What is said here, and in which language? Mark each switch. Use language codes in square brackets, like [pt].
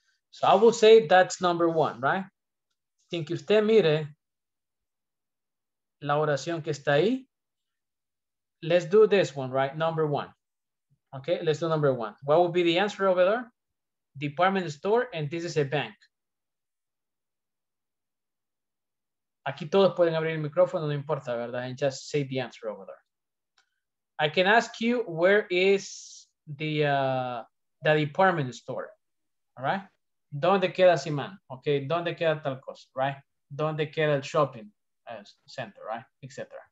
[en] So I will say that's number one, right? [es] Sin que usted mire la oración que está ahí. [en] Let's do this one, right? Number one. Okay, let's do number one. What would be the answer over there? Department store, and this is a bank. [es] Aquí todos pueden abrir el micrófono, no importa, ¿verdad? [en] And just say the answer over there. I can ask you, where is the department store? [es] All right? ¿Dónde queda Simán? Okay, ¿dónde queda tal cosa? Right? ¿Dónde queda el shopping center? Right? Etc.